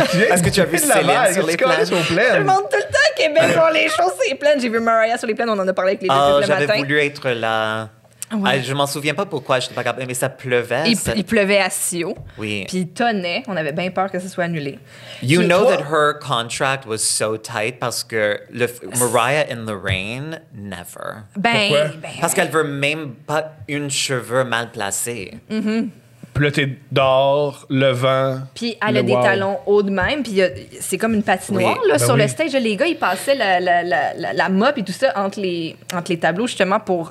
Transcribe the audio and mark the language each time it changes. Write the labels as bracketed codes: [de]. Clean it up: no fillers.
[fr] Est-ce que tu as vu Céline sur les plaines? Je monte tout le temps à Québec pour les choses sur les plaines. J'ai vu Mariah sur les plaines, on en a parlé avec les deux le matin. J'avais voulu être là. Ouais. Je m'en souviens pas pourquoi, j'étais pas capable, mais ça pleuvait. Il pleuvait à Sio. Oui. Puis il tonnait, on avait bien peur que ça soit annulé. [en] You know that her contract was so tight [fr] parce que [en] Mariah in the rain, never. [fr] Ben, parce qu'elle veut même pas une cheveu mal placée. Mm-hmm. Ploté d'or, le vent. Puis elle a des talons hauts de même, puis c'est comme une patinoire le stage. Les gars, ils passaient la mop et tout ça entre les tableaux, justement, pour